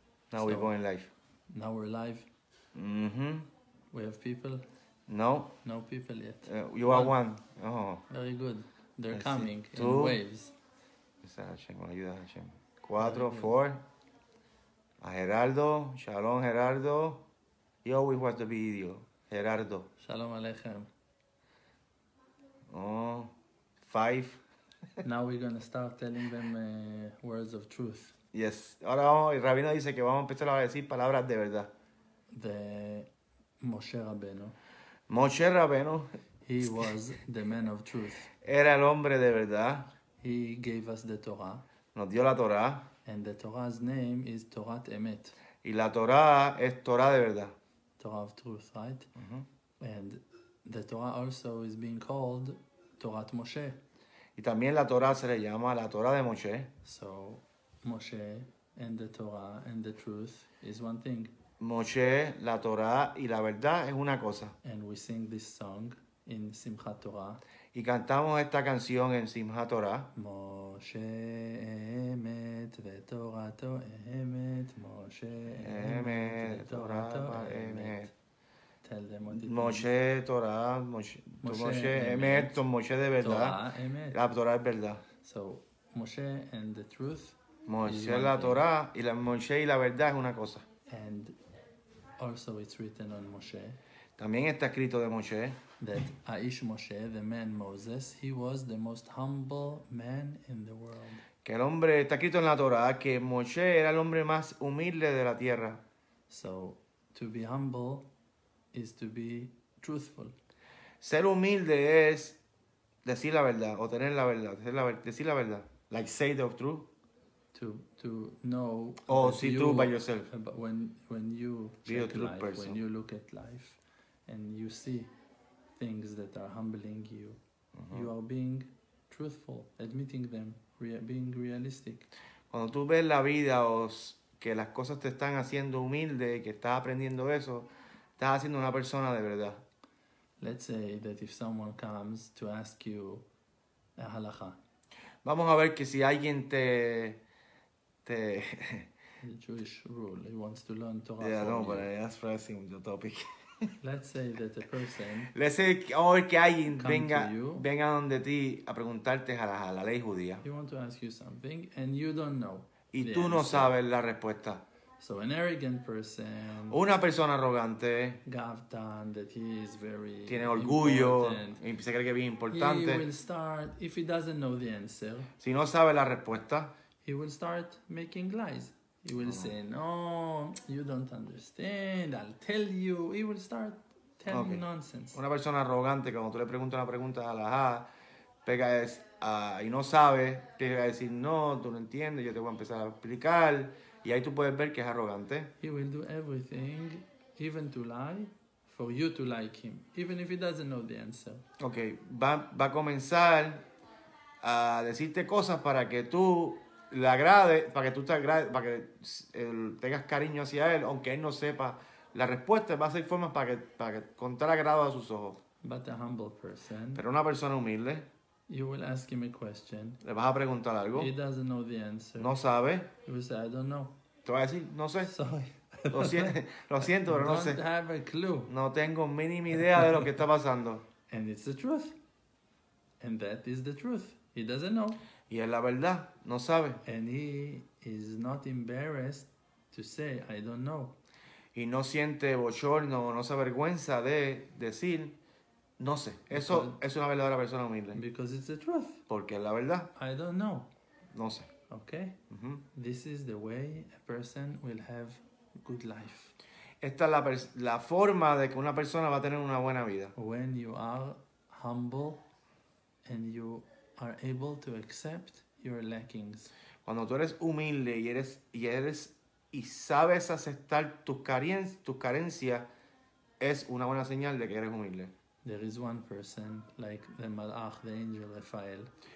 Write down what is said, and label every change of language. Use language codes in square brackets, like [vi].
[en] Now so, we're going live. Now we're live. Mm-hmm. We have people? No. No people yet. You well, are one. Oh. Very good. They're coming two. In waves. [es] Esa es Hashem, ayuda Hashem. Cuatro, four. A Gerardo, Shalom Gerardo. [en] He always watch the video. Gerardo. [he] Shalom Alechem. [en] Oh, five. Now we're going to start telling them words of truth. Yes. [es] Ahora vamos, el Rabino dice que vamos a empezar a decir palabras de verdad. [en] The Moshe Rabbeinu. Moshe Rabbeinu. He was the man of truth. [es] Era el hombre de verdad. [en] He gave us the Torah. [es] Nos dio la Torah. [en] And the Torah's name is Torat Emet. [es] Y la Torah es Torah de verdad. [en] Torah of truth, right? Uh-huh. And the Torah also is being called Torat Moshe. [es] Y también la Torah se le llama la Torah de Moshe. [en] So, Moshe and the Torah and the truth is one thing. [es] Moshe, la Torah y la verdad es una cosa. [en] And we sing this song in Simchat Torah. [es] Y cantamos esta canción en Simchat Torah. [he] Moshe Emet veTorato Emet. Moshe Emet veTorato Emet. [en] Tell them what it [es] means. Moshe Torah, Moshe Emet, tu Moshe de verdad. [he] Torah Emet. [es] La Torah es verdad. [en] So, Moshe and the truth. [es] Moshe la Torah y la Moshe y la verdad es una cosa. [en] And also it's written on Moshe. [es] También está escrito de Moshe. [en] That Aish Moshe, the man Moses, he was the most humble man in the world. [es] Que el hombre, está escrito en la Torah, que Moshe era el hombre más humilde de la tierra. [en] So, to be humble is to be truthful. [es] Ser humilde es decir la verdad, o tener la verdad, decir la verdad. [en] Like say the truth. To know. Oh, see you, truth by yourself. When you be check a true life, person. When you look at life. And you see things that are humbling you. Uh-huh. You are being truthful, admitting them, being realistic. [es] Cuando tú ves la vida o que las cosas te están haciendo humilde, que estás aprendiendo eso, estás haciendo una persona de verdad. [en] Let's say that if someone comes to ask you a halakha. [es] Vamos a ver que si alguien te... te [en] the Jewish rule, he wants to learn Torah. Yeah, no, but I asked for asking the topic. Let's say that a person. Let's say [es] or que alguien venga, venga donde ti a preguntarte a la ley judía. [en] He want to ask you something and you don't know. [es] Y tú no sabes la respuesta. [en] So an arrogant person. [es] Una persona arrogante. [en] Gavtan, that he is very. [es] Tiene orgullo. Y se cree que es bien importante. [en] He will start if he doesn't know the answer. [es] Si no sabe la respuesta. [en] He will start making lies. He will say, no, you don't understand, I'll tell you. He will start telling okay. Nonsense. [es] Una persona arrogante, cuando tú le preguntas una pregunta a la ha, pega es, y no sabe, pega a decir, no, tú no entiendes, yo te voy a empezar a explicar. Y ahí tú puedes ver que es arrogante. [en] He will do everything, even to lie, for you to like him, even if he doesn't know the answer. [es] Okay, va a comenzar a decirte cosas para que tú... le agrade, para que tú te agrade, para que tengas cariño hacia él, aunque él no sepa la respuesta, va a ser formas para que contar agrado a sus ojos. [en] But a humble person, [es] pero una persona humilde, [en] you will ask him a question, [es] le vas a preguntar algo, [en] he doesn't know the answer, [es] no sabe, [en] he will say, I don't know. [es] Te va a decir, no sé, [en] sorry. [es] lo siento, pero [en] I don't [es] no sé, [en] have a clue. [es] No tengo mínima idea de lo que está pasando. [en] And it's the truth, and that is the truth, he doesn't know. [es] Y es la verdad, no sabe. [en] And he is not embarrassed to say, I don't know. [es] Y no siente bochorno, no se avergüenza de decir, no sé. Eso es una verdadera persona humilde. [en] Because it's the truth. [es] Porque es la verdad. [en] I don't know. [es] No sé. [en] Okay. Mm-hmm. This is the way a person will have good life. [es] Esta es la forma de que una persona va a tener una buena vida. [en] When you are humble and you are able to accept your lackings. [es] Cuando tú eres humilde y sabes aceptar tus carencias, es una buena señal de que eres humilde. [en] There is one person like the Malach, the angel Raphael.